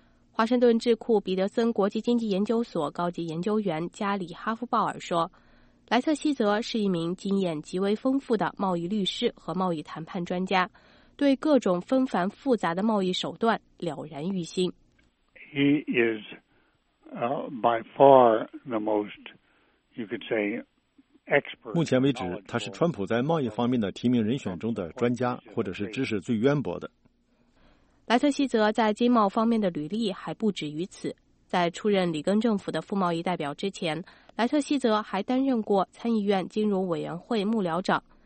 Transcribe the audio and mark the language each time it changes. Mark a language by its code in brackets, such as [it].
[zh] 华盛顿智库彼得森国际经济研究所高级研究员加里·哈夫鲍尔说，莱特希泽是一名经验极为丰富的贸易律师和贸易谈判专家，对各种纷繁复杂的贸易手段了然于心。 [en] He is by far the most, you could say, expert. [zh] 目前为止，他是川普在贸易方面的提名人选中的专家，或者是知识最渊博的。莱特希泽在经贸方面的履历还不止于此。在出任里根政府的副贸易代表之前，莱特希泽还担任过参议院金融委员会幕僚长。